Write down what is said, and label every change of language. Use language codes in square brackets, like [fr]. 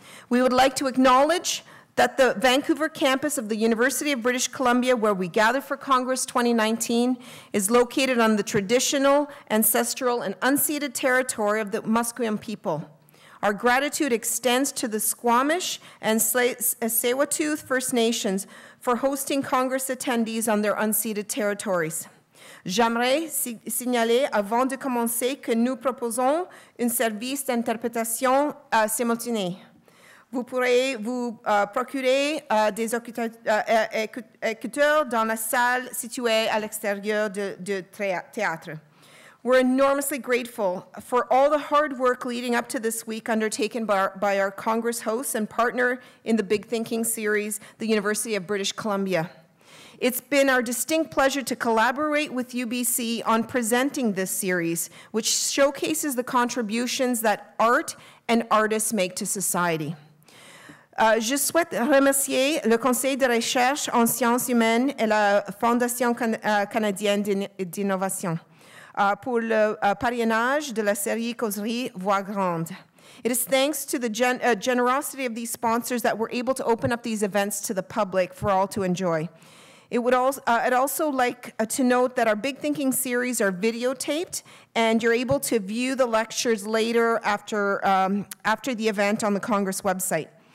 [en] We would like to acknowledge that the Vancouver campus of the University of British Columbia, where we gather for Congress 2019, is located on the traditional, ancestral, and unceded territory of the Musqueam people. Our gratitude extends to the Squamish and Tsleil-Waututh First Nations for hosting Congress attendees on their unceded territories. [fr] J'aimerais signaler avant de commencer que nous proposons un service d'interprétation simultanée. Vous pourrez vous procurer des écouteurs dans la salle située à l'extérieur du théâtre. [en] We're enormously grateful for all the hard work leading up to this week undertaken by our Congress hosts and partner in the Big Thinking series, the University of British Columbia. It's been our distinct pleasure to collaborate with UBC on presenting this series, which showcases the contributions that art and artists make to society. [fr] Je souhaite remercier le Conseil de recherche en sciences humaines et la Fondation canadienne d'innovation pour le parrainage de la série Causerie Voix Grande. [en] It is thanks to the generosity of these sponsors that we're able to open up these events to the public for all to enjoy. I'd also like to note that our Big Thinking series are videotaped, and you're able to view the lectures later after the event on the Congress website.